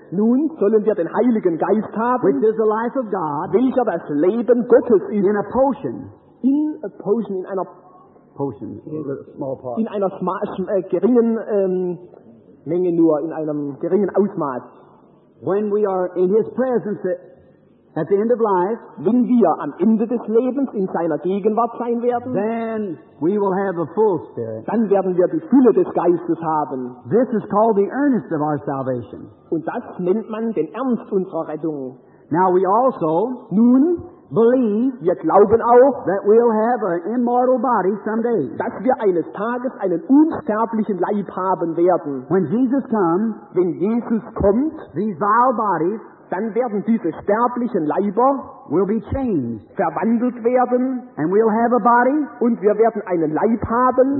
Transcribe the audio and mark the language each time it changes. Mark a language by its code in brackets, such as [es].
[de] nun sollen wir den Heiligen Geist haben, [en] which is the life of God, [de] welcher das Leben Gottes ist, [en] in a potion, in a potion, [de] in einer [en] potion, in a small part. [de] In einer geringen Menge nur, in einem geringen Ausmaß. [en] When we are in his presence at the end of life, [de] wenn wir am Ende des Lebens in seiner Gegenwart sein werden, [en] then we will have the full spirit. [de] Dann werden wir die Fülle des Geistes haben. [en] This is called the earnest of our salvation. [de] Und das nennt man den Ernst unserer Rettung. [en] Now we also, [de] nun, [en] believe, [de] wir glauben auch, [en] that we'll have an immortal body someday. [de] Dass wir eines Tages einen unsterblichen Leib haben werden. [en] When Jesus comes, [de] wenn Jesus kommt, [en] these vile bodies, [de] dann werden diese sterblichen Leiber [en] will be changed, [de] verwandelt werden, [en] and we'll have a body, [de] und wir werden einen Leib haben,